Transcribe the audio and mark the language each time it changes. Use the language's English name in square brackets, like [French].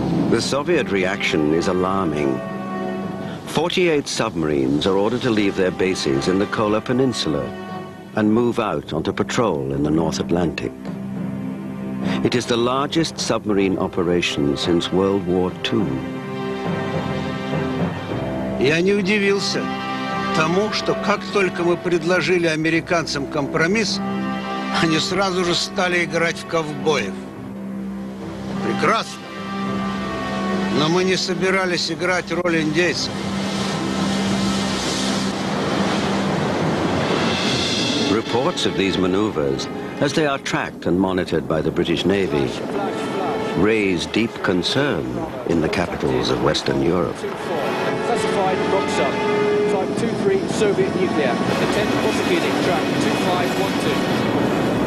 [English] The Soviet reaction is alarming. 48 submarines are ordered to leave their bases in the Kola Peninsula and move out onto patrol in the North Atlantic. It is the largest submarine operation since World War II. [Russian] Я не удивился тому, что как только мы предложили американцам компромисс, они сразу же стали играть в ковбоев. Прекрасно. Но мы не собирались играть роль индейцев. [English] Reports of these maneuvers, as they are tracked and monitored by the British Navy, raise deep concern in the capitals of Western Europe. Classified Boxer, type 23 Soviet nuclear, attend prosecuting track 2512.